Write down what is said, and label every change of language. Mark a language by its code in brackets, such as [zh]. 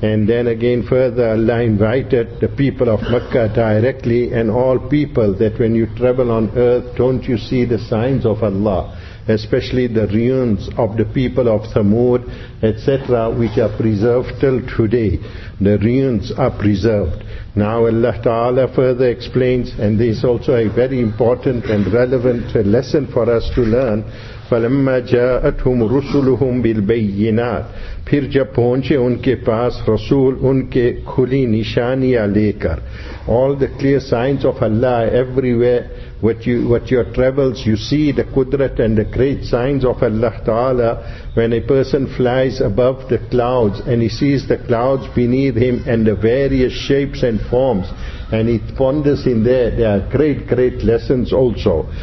[en] And then again further, Allah invited the people of Makkah directly and all people that when you travel on earth, don't you see the signs of Allah, especially the ruins of the people of Thamud, etc., which are preserved till today. The ruins are preserved. Now Allah Ta'ala further explains, and this is also a very important and relevant lesson for us to learn. [ar] فَلَمَّا جَاءَتْهُمْ رُسُلُهُمْ بِالْبَيِّنَاتِ [ur] پھر جب پہنچے ان کے پاس رسول ان کے کھلی نشانیاں لے کر. [en] All the clear signs of Allah everywhere, what your travels, you see the Qudrat and the great signs of Allah Ta'ala. When a person flies above the clouds and he sees the clouds beneath him and the various shapes and forms, and he ponders in there are great, great lessons also.